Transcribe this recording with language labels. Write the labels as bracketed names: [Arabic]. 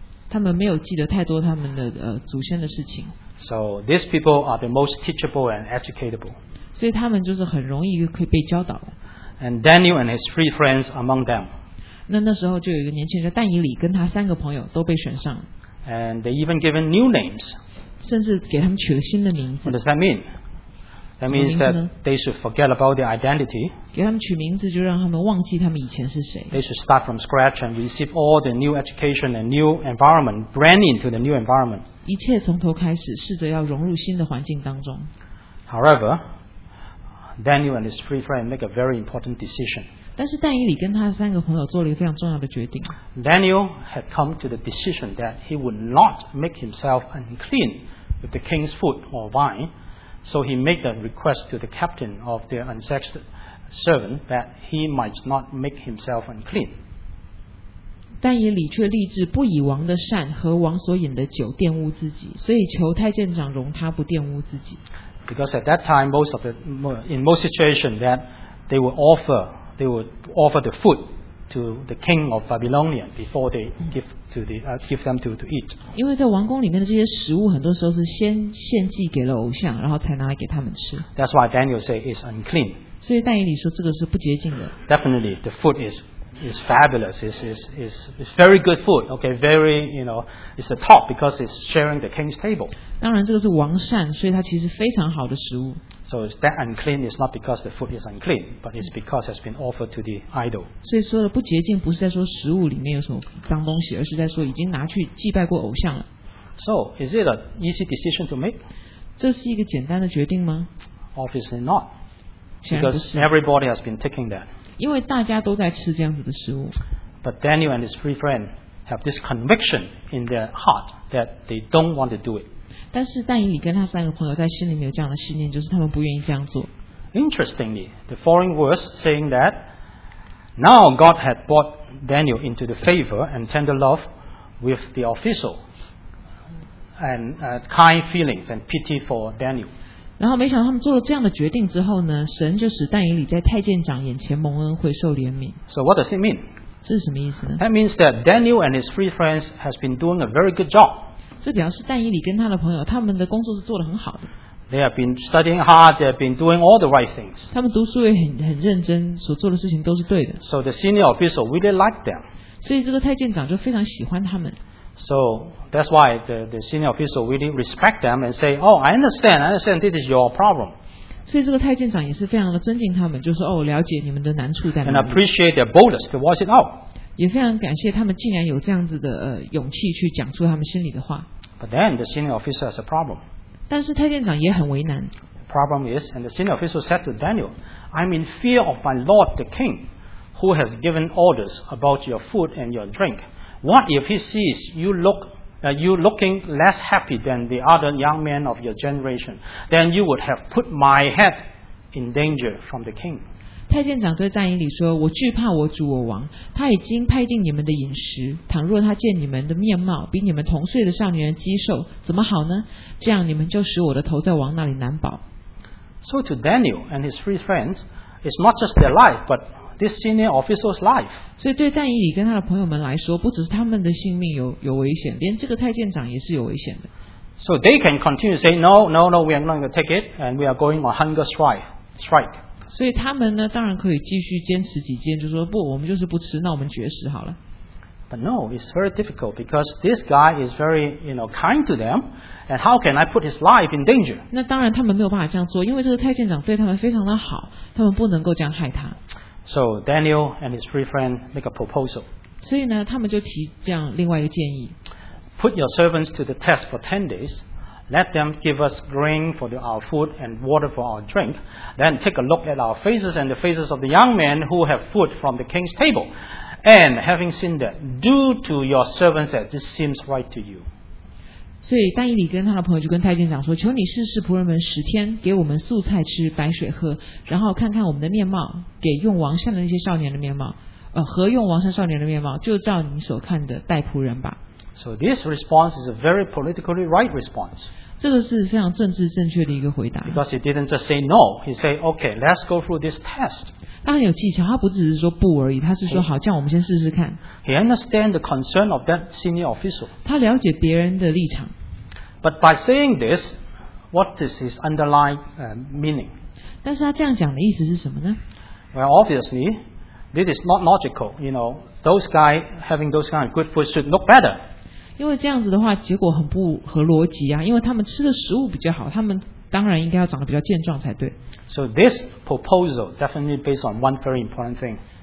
[Chinese] 他们没有记得太多他们的祖先的事情。 [English] So these people are the most teachable and educatable. [Chinese] 所以他们就是很容易可以被教导的。 [English] And Daniel and his three friends among them. [Chinese] 那时候就有一个年轻人但以理跟他三个朋友都被选上。 [English] And they even given new names. [Chinese] 甚至给他们取了新的名字。 [English] What does that mean? That means that they should forget about their identity. [Chinese] 给他们取名字就让他们忘记他们以前是谁。 [English] They should start from scratch and receive all the new education and new environment, brand into the new environment. [Chinese] 一切从头开始，试着要融入新的环境当中。 [English] However, Daniel and his three friends make a very important decision. [Chinese] 但是但以理跟他三个朋友做了一个非常重要的决定。 [English] Daniel had come to the decision that he would not make himself unclean with the king's food or wine, so he made a request to the captain of the unsexed servant that he might not make himself unclean. [Chinese] 但以理却立志不以王的膳和王所饮的酒玷污自己，所以求太监长容他不玷污自己。 [English] Because at that time, in most situations that they would offer. They would offer the food to the king of Babylonia before they give them to eat. [Chinese] 因为在王宫里面的这些食物，很多时候是先献祭给了偶像，然后才拿来给他们吃。 [English] That's why Daniel say it's unclean. [Chinese] 所以但以理说这个是不洁净的。 [English] Definitely, the food is fabulous. It's very good food. Okay, very, you know, it's the top because it's sharing the king's table. [Chinese] 当然，这个是王膳，所以它其实非常好的食物。 [English] So that unclean is not because the food is unclean, but it's because it has been offered to the idol. [Chinese] 所以说的不洁净不是在说食物里面有什么脏东西，而是在说已经拿去祭拜过偶像了。 [English] So is it an easy decision to make? [Chinese] 这是一个简单的决定吗？ [English] Obviously not. Because everybody has been taking that. [Chinese] 因为大家都在吃这样子的食物。 [English] But Daniel and his three friends have this conviction in their heart that they don't want to do it. [Chinese] 但是但以理跟他三个朋友在心里面有这样的信念，就是他们不愿意这样做。 [English] Interestingly, the following verse saying that now God had brought Daniel into the favor and tender love with the official and kind feelings and pity for Daniel. [Chinese] 然后没想到他们做了这样的决定之后呢，神就使但以理在太监长眼前蒙恩，会受怜悯。 [English] So what does it mean? [Chinese] 这是什么意思呢？ [English] That means that Daniel and his three friends has been doing a very good job. [Chinese] 这表示但以理跟他的朋友，他们的工作是做得很好的。 [English] They have been studying hard. They have been doing all the right things. [Chinese] 他们读书也很认真，所做的事情都是对的。 [English] So the senior official really liked them. [Chinese] 所以这个太监长就非常喜欢他们。 [English] So that's why the senior official really respect them and say, "Oh, I understand. I understand. This is your problem." [Chinese] 所以这个太监长也是非常的尊敬他们，就说、是、哦，了解你们的难处在哪里。 [English] And appreciate their boldness to voice it out. [Chinese] 也非常感谢他们竟然有这样子的勇气去讲出他们心里的话。 [English] But then the senior officer has a problem. [Chinese] 但是太监长也很为难。 [English] problem is, and the senior official said to Daniel, I'm in fear of my lord the king, who has given orders about your food and your drink. What if he sees you looking less happy than the other young men of your generation? Then you would have put my head in danger from the king. [Chinese] 太监长在战营里说，我惧怕我主我王，他已经派定你们的饮食，倘若他见你们的面貌比你们同岁的少年人肌瘦，怎么好呢？这样你们就使我的头在王那里难保。 [English] So to Daniel and his three friends, it's not just their life, but this senior official's life. [Chinese] 所以对战营里跟他的朋友们来说，不只是他们的性命 有危险，连这个太监长也是有危险的。 [English] So they can continue to say, no, no, no, we are not going to take it, and we are going on hunger strike. [Chinese] 所以他们呢，当然可以继续坚持己见，就说不，我们就是不吃，那我们绝食好了。 [English] But no, it's very difficult because this guy is very, you know, kind to them, and how can I put his life in danger? [Chinese] 那当然，他们没有办法这样做，因为这个太监长对他们非常的好，他们不能够这样害他。 [English] So Daniel and his three friends make a proposal. [Chinese] 所以呢，他们就提这样另外一个建议。 [English] Put your servants to the test for 10 days. Let them give us grain for our food and water for our drink. Then take a look at our faces and the faces of the young men who have food from the king's table. And having seen that, do to your servants as this seems right to you. [Chinese] 所以丹以理跟他的朋友就跟太监长说，求你试试仆人们10天，给我们素菜吃，白水喝，然后看看我们的面貌，给用王膳的那些少年的面貌，和用王膳少年的面貌，就照你所看的待仆人吧。 [English] So this response is a very politically right response. [Chinese] 这个是非常政治正确的一个回答。 [English] Because he didn't just say no, he said, okay, let's go through this test. [Chinese] 他很有技巧，他不只是说不而已，他是说好，这样我们先试试看。 [English] He understands the concern of that senior official. [Chinese] 他了解别人的立场。 [English] But by saying this, what is his underlying meaning? [Chinese] 但是他这样讲的意思是什么呢？ [English] Well, obviously, this is not logical. You know, those guys having those kind of good food should look better. [Chinese] 因为这样子的话，结果很不合逻辑啊！因为他们吃的食物比较好，他们当然应该要长得比较健壮才对。 [English] So this proposal definitely based on one very important thing.